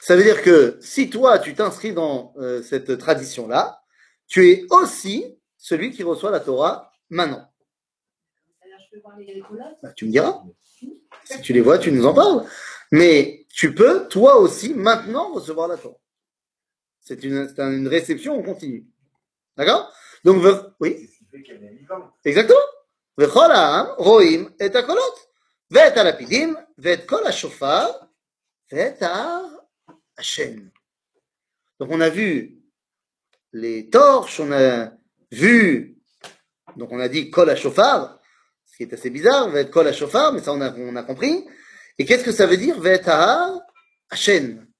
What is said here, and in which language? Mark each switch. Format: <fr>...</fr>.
<fr>Ça veut dire que si toi, tu t'inscris dans cette tradition-là, tu es aussi celui qui reçoit la Torah maintenant. C'est-à-dire, je peux voir les colonnes ? Bah, tu me diras. Si tu les vois, tu nous en parles. Mais tu peux, toi aussi, maintenant, recevoir la Torah. C'est une réception en continu. D'accord ? Donc, oui. C'est ce qui fait qu'elle est vivante. Exactement.</fr> <he>וכל העם רואים את הקולות, ואת הלפידים, ואת כל השופר, ואת הר השם.</he> <fr>Donc on a vu les torches, on a vu, donc on a dit</fr> <he>כל השופר,</he> <fr>ce qui est assez bizarre,</fr> <he>ואת כל השופר,</he> <fr>mais ça on a compris. Et qu'est-ce que ça veut dire,</fr> <he>ואת הר השם?</he>